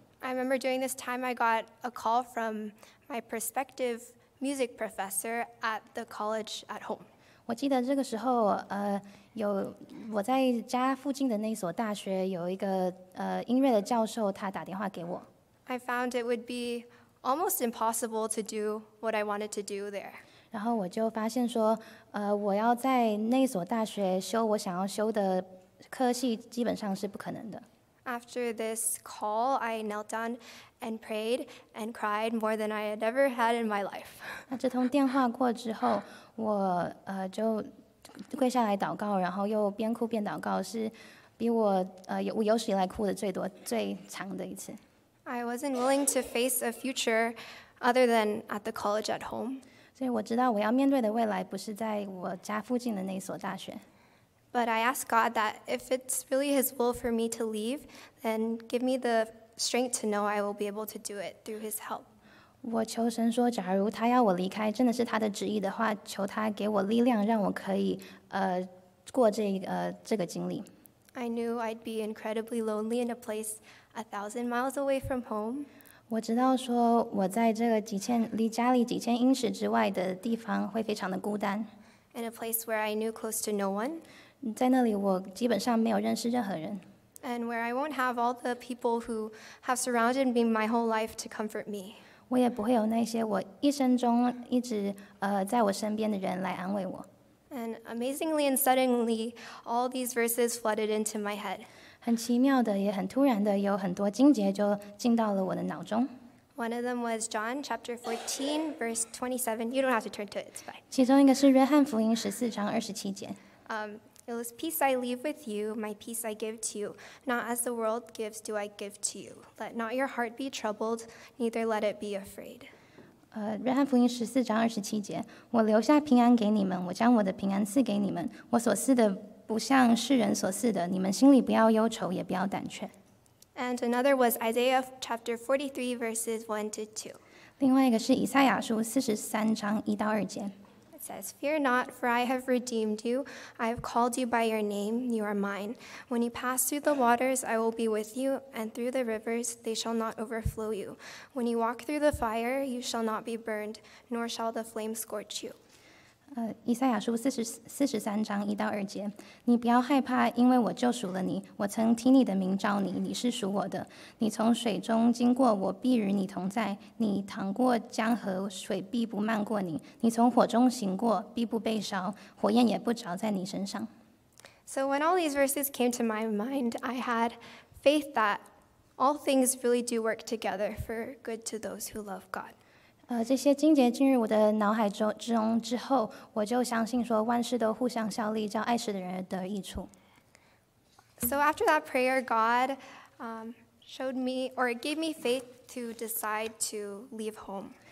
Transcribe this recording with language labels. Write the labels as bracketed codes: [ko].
[en] I remember during this time I got a call from my prospective music professor at the college at home. [zh] 我记得这个时候有我在家附近的那所大学有一个音乐的教授，他打电话给我。 [en] I found it would be almost impossible to do what I wanted to do there. [zh] 然后我就发现说我要在那所大学修我想要修的科系基本上是不可能的。 [en] After this call, I knelt down and prayed and cried more than I had ever had in my life. [zh] 那这通电话过之后，我就跪下来祷告，然后又边哭边祷告，是比我有史以来哭的最多、最长的一次。 [en] I wasn't willing to face a future other than at the college at home. [zh] 所以我知道我要面对的未来不是在我家附近的那所大学。 [en] But I ask God that if it's really His will for me to leave, then give me the strength to know I will be able to do it through His help. [zh] 我求神说，假如他要我离开，真的是他的旨意的话，求他给我力量，让我可以过这个经历。 [en] I knew I'd be incredibly lonely in a place 1,000 miles away from home. [zh] 我知道说我在这个离家里几千英尺之外的地方会非常的孤单。 [en] In a place where I knew close to no one. [zh] 在那里我基本上没有认识任何人。 [en] And where I won't have all the people who have surrounded me my whole life to comfort me. [zh] 我也不会有那些我一生中一直在我身边的人来安慰我。 [en] And amazingly and suddenly, all these verses flooded into my head. [zh] 很奇妙的，也很突然的，有很多经节就进到了我的脑中。 [en] One of them was John chapter 14, verse 27. You don't have to turn to it, it's fine. [zh] 其中一个是约翰福音十四章二十七节。 [en] It was peace I leave with you, my peace I give to you. Not as the world gives do I give to you. Let not your heart be troubled, neither let it be afraid. [zh] 约翰福音十四章二十七节，我留下平安给你们，我将我的平安赐给你们。我所赐的不像世人所赐的，你们心里不要忧愁，也不要胆怯。 [en] And another was Isaiah chapter 43, verses 1 to 2. [zh] 另外一个是以赛亚书四十三章一到二节。 [en] It says, "Fear not, for I have redeemed you. I have called you by your name. You are mine. When you pass through the waters, I will be with you, and through the rivers, they shall not overflow you. When you walk through the fire, you shall not be burned, nor shall the flame scorch you." [zh] 以赛亚书四十三章一到二节，你不要害怕，因为我救赎了你。我曾听你的名召你，你是属我的。你从水中经过，我必与你同在。你淌过江河，水必不漫过你。你从火中行过，必不被烧，火焰也不着在你身上。 [en] So when all these verses came to my mind, I had faith that all things really do work together for good to those who love God. [zh] 这些经节进入我的脑海中之后，我就相信说万事都互相效力，叫爱神的人得益处。 [en] So after that prayer, God showed me or gave me faith to decide to leave home.